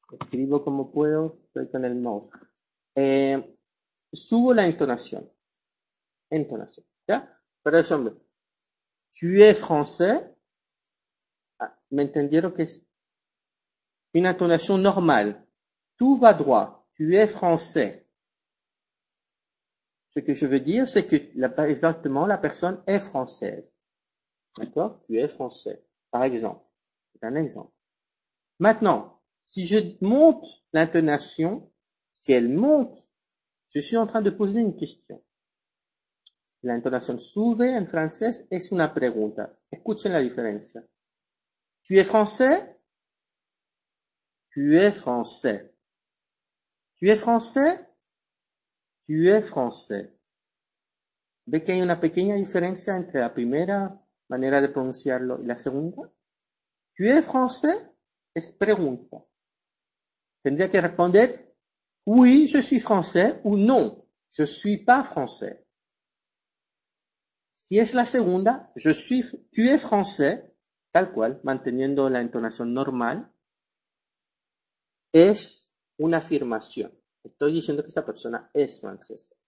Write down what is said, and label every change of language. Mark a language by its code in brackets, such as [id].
[es] Escribo como puedo, estoy con el mouse. Subo la entonación. Entonación, ¿ya? Por ejemplo, [fr] tu es français. [es] Ah, me entendieron que es una entonación normal. [fr] Tú va droit. Tu es français. Ce que je veux dire, c'est que exactement la personne est française. D'accord? Tu es français. Par exemple. C'est un exemple. Maintenant, si je monte l'intonation, si elle monte, je suis en train de poser une question. L'intonation sube en français est [es] una pregunta. [fr] Écoutez la différence. Tu es français? Tu es français. Tu es français? Tu es français. [es] ¿Ves que hay una pequeña diferencia entre la primera manera de pronunciarlo y la segunda? [fr] ¿Tu es français? [es] Es pregunta. Tendría que responder, [fr] oui, je suis français, [es] o [fr] non, je suis pas français. [es] Si es la segunda, [fr] je suis, tu es français, [es] tal cual, manteniendo la entonación normal, es una afirmación. Estoy diciendo que esa persona es francesa.